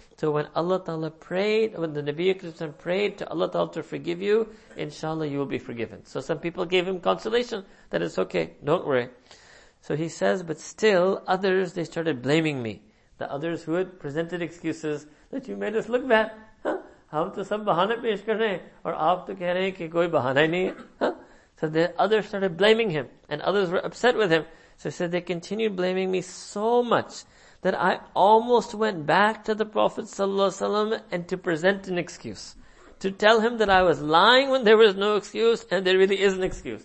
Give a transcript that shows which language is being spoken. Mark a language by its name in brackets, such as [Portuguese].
[English] So when Allah Ta'ala prayed, when the Nabiya Kareem prayed to Allah Ta'ala to forgive you, inshallah you will be forgiven. So some people gave him consolation, that it's okay, don't worry. So he says, but still, others, they started blaming me. The others who had presented excuses that you made us look bad. [Urdu] ہم تو سب بہانے پیش کر رہے ہیں، اور آپ تو کہہ رہے ہیں کہ کوئی بہانہ ہی نہیں ہے۔ [English] So the others started blaming him, and others were upset with him. So he said, they continued blaming me so much that I almost went back to the Prophet ﷺ and to present an excuse. To tell him that I was lying when there was no excuse and there really is an excuse.